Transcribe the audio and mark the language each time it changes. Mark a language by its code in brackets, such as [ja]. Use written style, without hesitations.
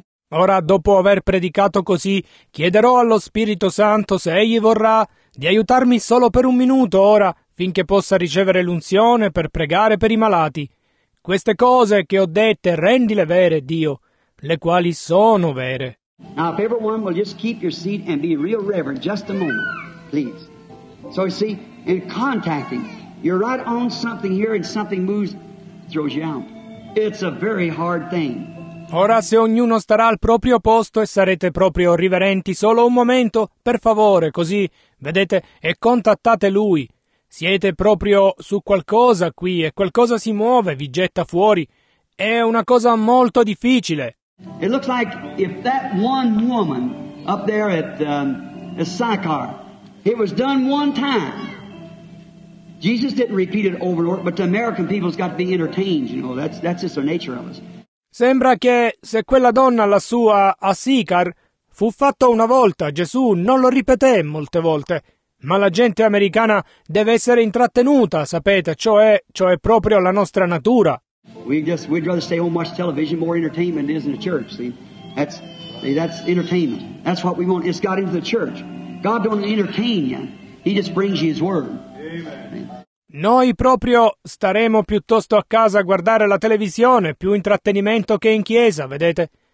[it] Ora, dopo aver predicato così, chiederò allo Spirito Santo se egli vorrà di aiutarmi solo per un minuto ora, finché possa ricevere l'unzione per pregare per i malati. Queste cose che ho dette, rendile vere, Dio, le quali sono vere. [en] Now, if everyone will just keep your seat and be real reverent just a moment, please. So, you see, in contacting, you're right on something here and something moves, throws you out. It's a very hard thing. [it] Ora, se ognuno starà al proprio posto e sarete proprio riverenti solo un momento, per favore, così, vedete, e contattate lui. Siete proprio su qualcosa qui e qualcosa si muove, vi getta fuori. È una cosa molto difficile. [en] It looks like if that one woman up there at Sychar, it was done one time. Jesus didn't repeat it over and over, but the American people's got to be entertained, you know, that's just the nature of us. [it] Sembra che se quella donna lassù a Sicar fu fatta una volta, Gesù non lo ripeté molte volte. Ma la gente americana deve essere intrattenuta, sapete, cioè proprio la nostra natura. [en] We'd rather stay home, watch television, more entertainment than is in the church, see? That's entertainment. That's what we want. It's got into the church. God don't entertain you. He just brings you his word. Amen. [it] Noi proprio staremo piuttosto a casa a guardare la televisione, più intrattenimento che in chiesa, vedete?